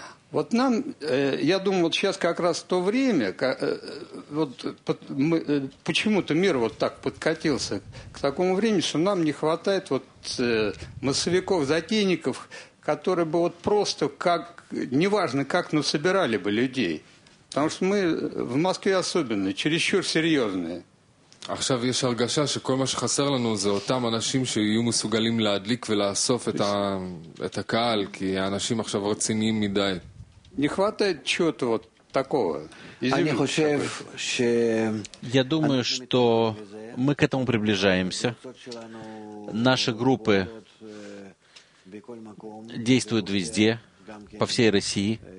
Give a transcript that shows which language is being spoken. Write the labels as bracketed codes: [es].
[ru] Вот нам, я думаю, вот сейчас как раз то время, вот мы, почему-то мир вот так подкатился к такому времени, что нам не хватает вот массовиков-затейников, которые бы вот просто как, неважно как, но собирали бы людей. Потому что мы в Москве особенно, чересчур серьезные. [he] עכשיו יש הרגשה שכל מה שחסר לנו זה אותם אנשים שיהיו מסוגלים להדליק ולאסוף את הקהל, כי האנשים עכשיו רציניים מדי. [ru] Не хватает чего-то вот такого. Я думаю, что мы к этому приближаемся. Наши группы действуют везде, по всей России.